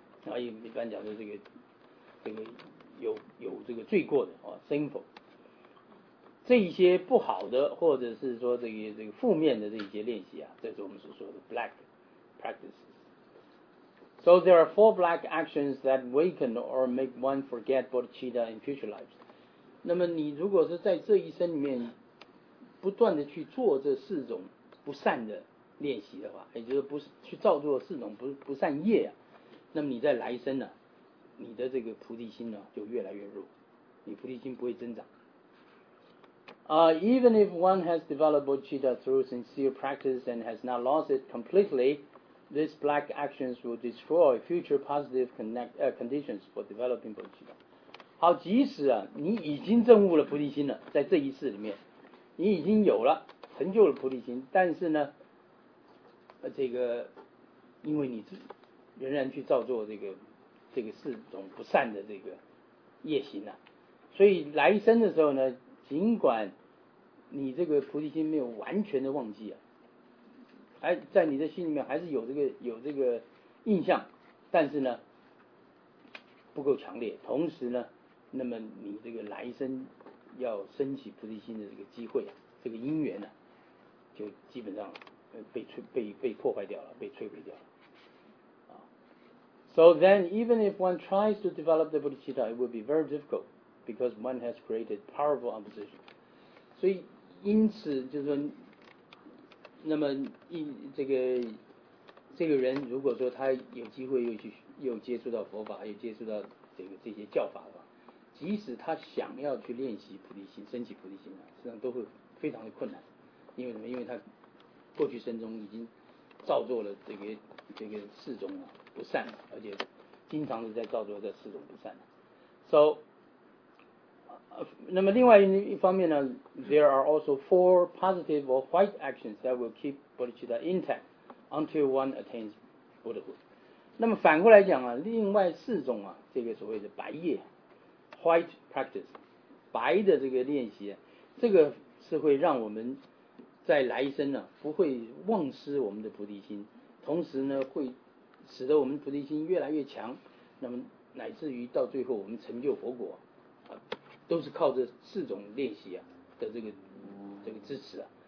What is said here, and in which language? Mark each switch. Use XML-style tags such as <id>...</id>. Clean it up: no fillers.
<zh>啊，一般讲说这个有这个罪过的啊 sinful。这一些不好的或者是说这个负面的这一些练习啊，这是我们所说的 black practices。</zh> <en>So there are four black actions that weaken or make one forget bodhicitta in future lives.</en> <zh>那么你如果是在这一生里面不断的去做这四种不善的练习的话，也就是不去造作四种不善业啊，那么你在来生呢、啊，你的这个菩提心呢、啊、就越来越弱，你菩提心不会增长。</zh> <en>Even if one has developed bodhicitta through sincere practice and has not lost it completely. These black actions will destroy future positive conditions for developing bodhicitta.</en> <zh>好，即使啊，你已经证悟了菩提心了，在这一世里面，你已经有了成就了菩提心，但是呢，这个因为你仍然去造作这个四种不善的这个业行了、啊，所以来生的时候呢，尽管你这个菩提心没有完全的忘记啊。在你的心里面还是有这个印象，但是呢不够强烈，同时呢那么你这个来生要升起菩提心的这个机会、啊、这个因缘呢、啊、就基本上被破坏掉了，被摧毁掉了。</zh> <en>So then even if one tries to develop the bodhicitta it will be very difficult because one has created powerful opposition.</en> <zh>所以因此就是说那么这个人如果说他有机会又接触到佛法，又接触到这些教法的话，即使他想要去练习菩提心，升起菩提心，实际上都会非常的困难。因为什么？因为他过去生中已经造作了这个四种不善，而且经常是在造作这四种不善。</zh> <en>So</en> <zh>那么另外一方面呢，</zh> <en>there are also four positive or white actions that will keep bodhicitta intact until one attains Buddhahood.</en> <zh>那么反过来讲啊，另外四种啊，这个所谓的白业</zh> <en>white practice,</en> <zh>白的这个练习，这个是会让我们在来生呢、啊、不会忘失我们的菩提心，同时呢会使得我们菩提心越来越强，那么乃至于到最后我们成就佛果啊，都是靠这四种练习啊的这个支持啊。</zh>